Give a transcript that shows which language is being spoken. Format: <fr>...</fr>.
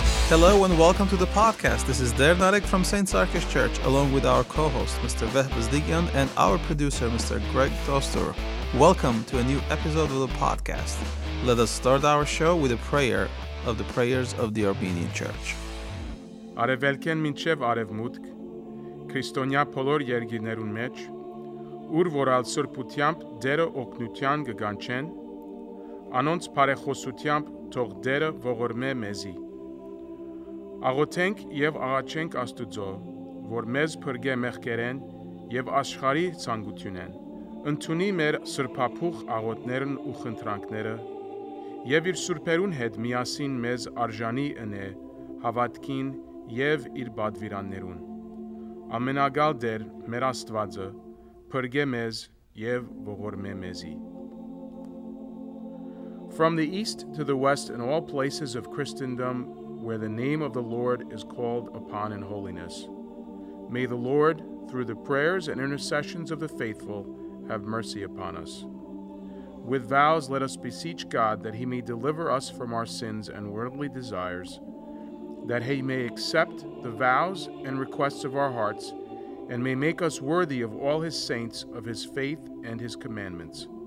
<en>Hello and welcome to the podcast. This is Der Narek from St. Sarkis Church, along with our co-host, Mr. Veh Bezdigyan, and our producer, Mr. Greg Toster. Welcome to a new episode of the podcast. Let us start our show with a prayer of the prayers of the Armenian Church.</en> <hy>Arevelken minchev arevmutk, Քրիստոնյա բոլոր երկիրներուն մեջ, ուր որ ալ սրբութիամբ դերը օգնության կգանչեն, անոնց բարեխոսությամբ թող դերը ողորմե մեզի. Աղոթենք և աղաչենք Աստուծո, որ մեզ փրկե մեղքերեն և աշխարհի ցանկությունեն, ընդունի մեր սրբափուխ աղոթներն ու խնդրանքները, և իր սրբերուն հետ միասին մեզ արժանի ընե հավատքին և իր պատվիրաններուն. Ամենագալ դեր, մեր Աստվածը, փրկե մեզ և ողորմե մեզի.</hy> <en>From the east to the west and all places of Christendom where the name of the Lord is called upon in holiness, may the Lord, through the prayers and intercessions of the faithful, have mercy upon us. With vows, let us beseech God that he may deliver us from our sins and worldly desires, that he may accept the vows and requests of our hearts, and may make us worthy of all his saints, of his faith and his commandments.</en>